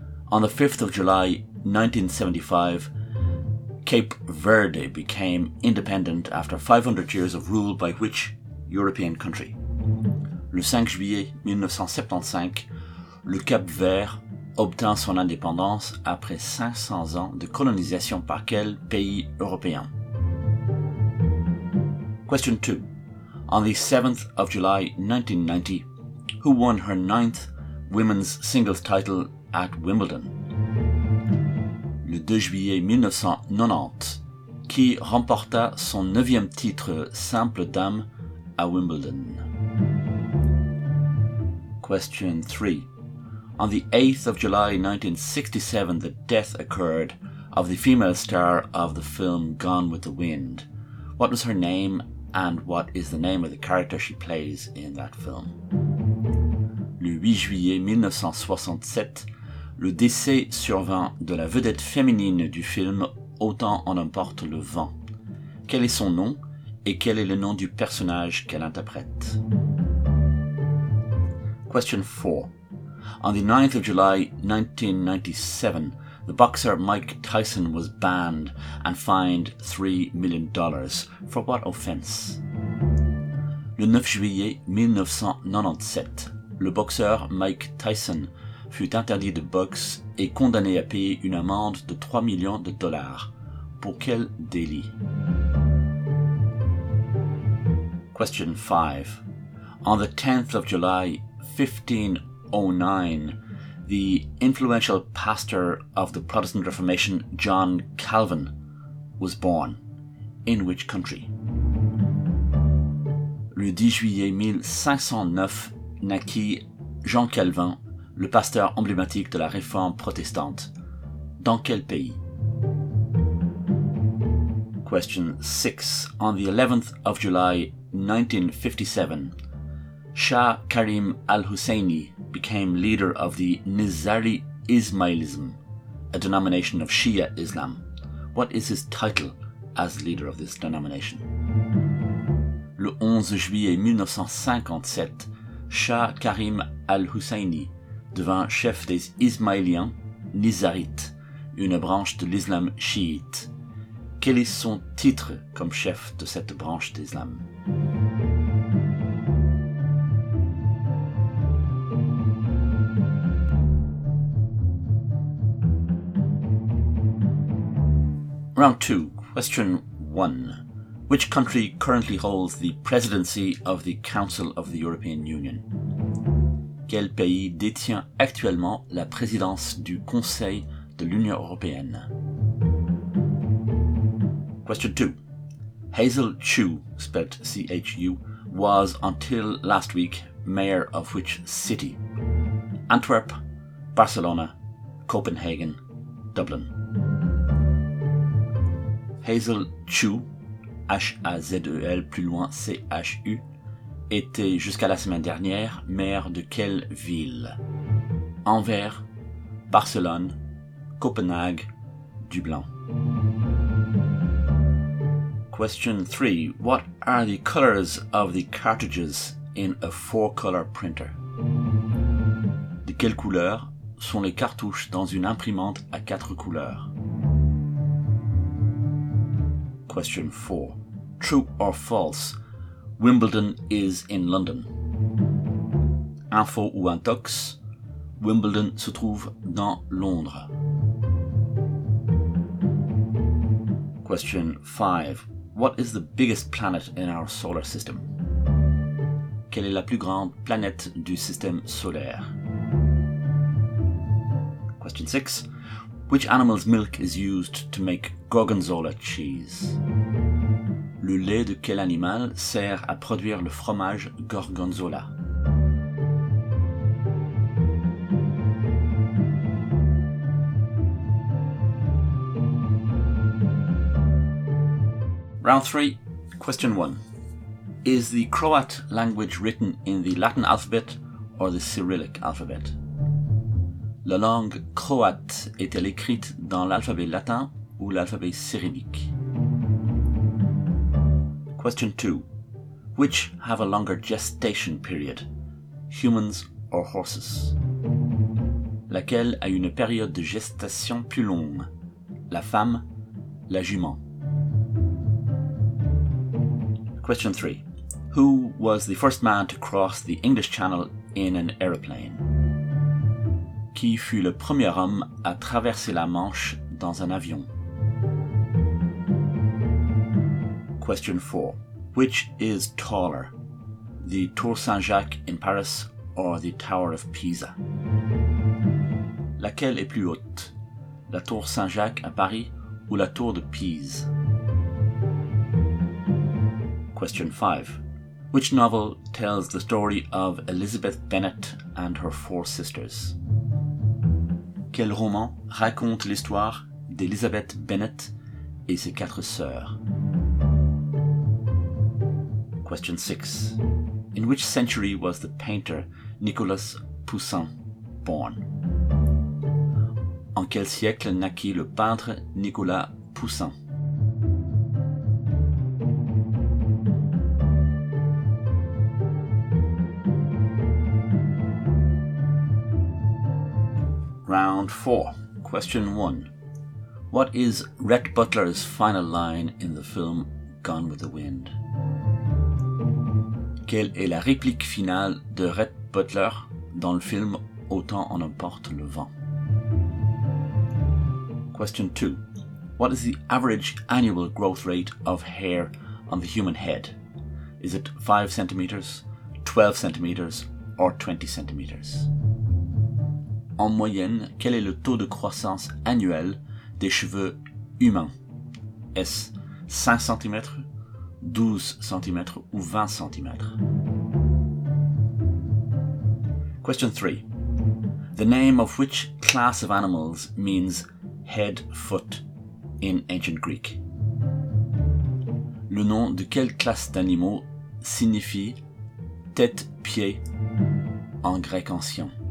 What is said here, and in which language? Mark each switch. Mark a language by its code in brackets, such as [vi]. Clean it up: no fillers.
[en] On the 5th of July 1975, Cape Verde became independent after 500 years of rule by which European country? [fr] Le 5 juillet 1975, le Cap Vert obtint son indépendance après 500 ans de colonisation par quel pays européen? [en] Question 2. On the 7th of July 1990, who won her 9th women's singles title at Wimbledon? [fr] Le 2 juillet 1990, qui remporta son 9e titre simple dame à Wimbledon? [en] Question 3. On the 8th of July 1967, the death occurred of the female star of the film Gone with the Wind. What was her name? And what is the name of the character she plays in that film? [fr] Le 8 juillet 1967, le décès survint de la vedette féminine du film Autant en emporte le vent. Quel est son nom et quel est le nom du personnage qu'elle interprète? [en] Question 4. On the 9th of July 1997, the boxer Mike Tyson was banned and fined $3 million. For what offense? [fr] Le 9 juillet 1997, le boxeur Mike Tyson fut interdit de boxe et condamné à payer une amende de $3 million. Pour quel délit? [en] Question 5. On the 10th of July 1509, the influential pastor of the Protestant Reformation, John Calvin, was born in which country? [fr] Le 10 juillet 1509, naquit John Calvin, le pasteur emblématique de la réforme protestante. Dans quel pays? [en] Question 6. On the 11th of July 1957, Shah Karim al-Husseini became leader of the Nizari Ismailism, a denomination of Shia Islam. What is his title as leader of this denomination? [fr] Le 11 juillet 1957, Shah Karim al-Husseini devint chef des Ismailiens Nizarites, une branche de l'islam chiite. Quel est son titre comme chef de cette branche d'islam? [en] Round 2, question 1. Which country currently holds the presidency of the Council of the European Union? [fr] Quel pays détient actuellement la présidence du Conseil de l'Union européenne? [en] Question 2. Hazel Chu, spelled C-H-U, was until last week mayor of which city? Antwerp, Barcelona, Copenhagen, Dublin. [fr] Hazel Chu, H-A-Z-E-L, plus loin C-H-U, était jusqu'à la semaine dernière maire de quelle ville? Anvers, Barcelone, Copenhague, Dublin. [en] Question 3. What are the colors of the cartridges in a four-color printer? [fr] De quelle couleur sont les cartouches dans une imprimante à quatre couleurs? [en] Question 4. True or false? Wimbledon is in London. [fr] Info ou intox? Wimbledon se trouve dans Londres. [en] Question 5. What is the biggest planet in our solar system? [fr] Quelle est la plus grande planète du système solaire? [en] Question 6. Which animal's milk is used to make gorgonzola cheese? [fr] Le lait de quel animal sert à produire le fromage gorgonzola? [en] Round 3, question 1. Is the Croat language written in the Latin alphabet or the Cyrillic alphabet? [fr] La langue croate est-elle écrite dans l'alphabet latin ou l'alphabet cyrillique? [en] Question 2. Which have a longer gestation period, humans or horses? [fr] Laquelle a une période de gestation plus longue, la femme, la jument? [en] Question 3. Who was the first man to cross the English Channel in an aeroplane? [fr] Qui fut le premier homme à traverser la Manche dans un avion? [en] Question 4. Which is taller, the Tour Saint-Jacques in Paris or the Tower of Pisa? [fr] Laquelle est plus haute, la Tour Saint-Jacques à Paris ou la Tour de Pise? [en] Question 5. Which novel tells the story of Elizabeth Bennet and her four sisters? [fr] Quel roman raconte l'histoire d'Elizabeth Bennet et ses quatre sœurs? [en] Question 6. In which century was the painter Nicolas Poussin born? [fr] En quel siècle naquit le peintre Nicolas Poussin? [en] Round 4. Question 1. What is Rhett Butler's final line in the film Gone with the Wind? [fr] Quelle est la réplique finale de Rhett Butler dans le film Autant en emporte le vent? [en] Question 2. What is the average annual growth rate of hair on the human head? Is it 5 cm, 12 cm or 20 cm? [fr] En moyenne, quel est le taux de croissance annuel des cheveux humains? Est-ce 5 cm, 12 cm ou 20 cm? [en] Question 3. The name of which class of animals means head, foot in ancient Greek? [fr] Le nom de quelle classe d'animaux signifie tête, pied en grec ancien?